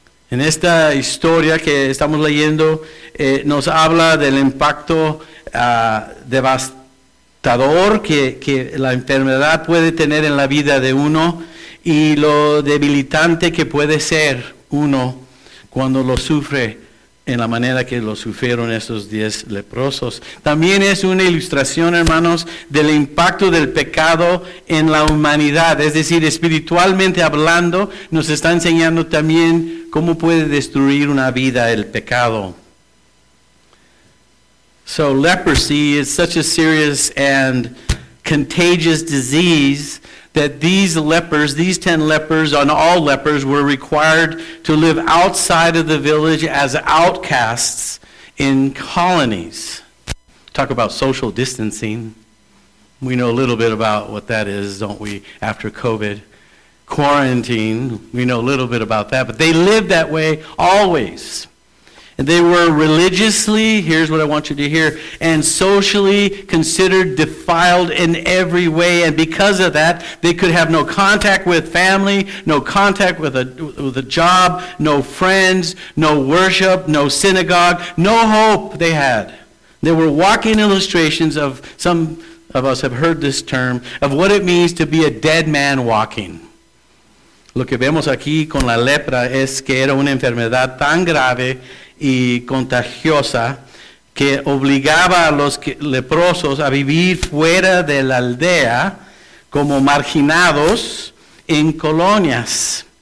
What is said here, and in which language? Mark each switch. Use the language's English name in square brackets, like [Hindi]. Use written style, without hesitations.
[Spanish] En esta historia que estamos leyendo, nos habla del impacto devastador que la enfermedad puede tener en la vida de uno y lo debilitante que puede ser uno cuando lo sufre en la manera que lo sufrieron estos 10 leprosos. También es una ilustración, hermanos, del impacto del pecado en la humanidad. Es decir, espiritualmente hablando, nos está enseñando también cómo puede destruir una vida el pecado. [English] So leprosy is such a serious and contagious disease that these 10 lepers, and all lepers, were required to live outside of the village as outcasts in colonies. Talk about social distancing. We know a little bit about what that is, don't we, after COVID. Quarantine, we know a little bit about that. But they lived that way always. And they were religiously, here's what I want you to hear, and socially considered defiled in every way. And because of that, they could have no contact with family, no contact with a job, no friends, no worship, no synagogue, no hope they had. They were walking illustrations of, some of us have heard this term, of what it means to be a dead man walking. [Spanish] Lo que vemos aquí con la lepra es que era una enfermedad tan grave y contagiosa que obligaba a los leprosos a vivir fuera de la aldea como marginados en colonias.